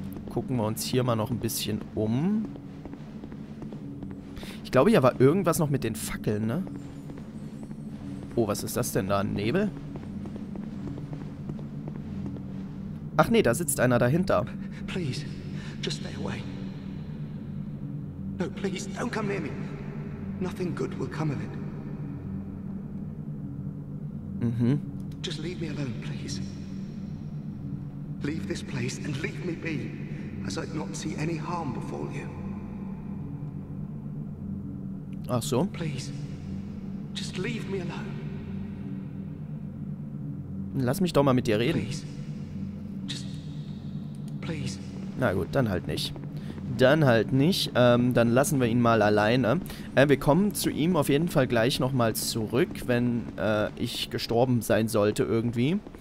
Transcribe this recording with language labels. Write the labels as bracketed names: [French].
[German] Gucken wir uns hier mal noch ein bisschen um. Ich glaube, hier war irgendwas noch mit den Fackeln, ne? Oh, was ist das denn da? Ein Nebel? Ach nee, da sitzt einer dahinter. [English] Please, just stay away. No, please, don't come near me. Nothing good will come of it. Mhm. Just leave me alone, please. Leave this place and leave me be, as I'd not see any harm befall you. [German] Ach so? [English] Please, just leave me alone. [German] Lass mich doch mal mit dir reden. [English] Please. [German] Na gut, dann halt nicht. Dann halt nicht. Dann lassen wir ihn mal alleine. Wir kommen zu ihm auf jeden Fall gleich nochmal zurück, wenn ich gestorben sein sollte irgendwie.